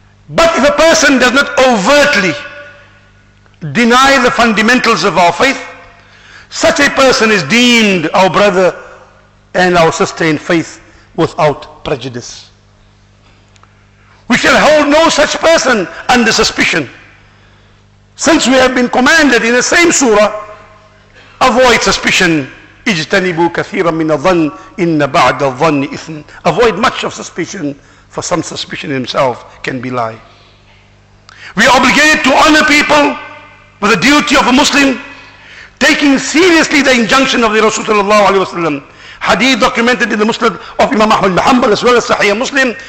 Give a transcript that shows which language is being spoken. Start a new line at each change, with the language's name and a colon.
English: But if a person does not overtly deny the fundamentals of our faith, such a person is deemed our brother and our sister in faith without prejudice. We shall hold no such person under suspicion, since we have been commanded in the same surah, avoid suspicion.
Arabic: اجتنبوا كثيرا من الظن إن بعد الظن إثن.
English: Avoid much of suspicion, for some suspicion himself can be lie. We are obligated to honor people with the duty of a Muslim, taking seriously the injunction of the Rasul sallallahu alayhi wa sallam. Hadith documented in the Muslim of Imam Ahmad bin Hanbal as well as Sahih Muslim.